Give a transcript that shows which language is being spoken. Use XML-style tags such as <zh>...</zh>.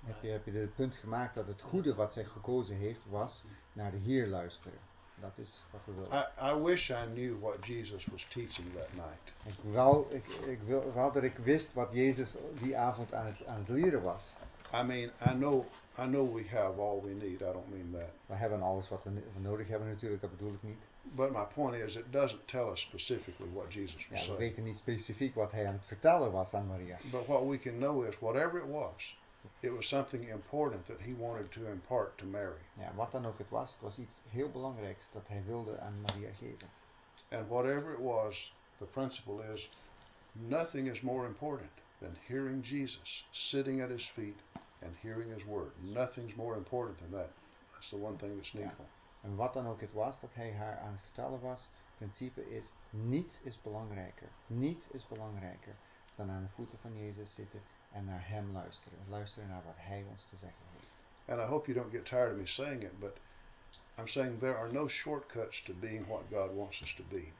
<nl>Heb je de punt gemaakt dat het goede wat zij gekozen heeft was naar de Heer luisteren? Dat is wat we willen.</nl> <en>I wish I knew what Jesus was teaching that night.</en> <nl>Ik wou dat ik wist wat Jezus die avond aan het leren was.</nl> <en>I mean, I know we have all we need. I don't mean that.</en> <nl>We hebben alles wat we nodig hebben natuurlijk. Dat bedoel ik niet.</nl> <en>But my point is, it doesn't tell us specifically what Jesus was saying.</en> <nl>We weten niet specifiek wat hij aan het vertellen was aan Maria.</nl> <en>But what we can know is, whatever it was something important that he wanted to impart to Mary.</en> <nl>Ja, wat dan ook het was iets heel belangrijks dat hij wilde aan Maria geven.</nl> <en>And whatever it was, the principle is, nothing is more important than hearing Jesus sitting at his feet and hearing his word. Nothing's more important than that. That's the one thing that's needful.</en> <nl>Ja. En wat dan ook het was dat hij haar aan het vertellen was, het principe is, niets is belangrijker. Niets is belangrijker dan aan de voeten van Jezus zitten en naar hem luisteren. Luisteren naar wat hij ons te zeggen heeft.</nl> <en>And I hope you don't get tired of me saying it, but I'm saying there are no shortcuts to being what God wants us to be.</en>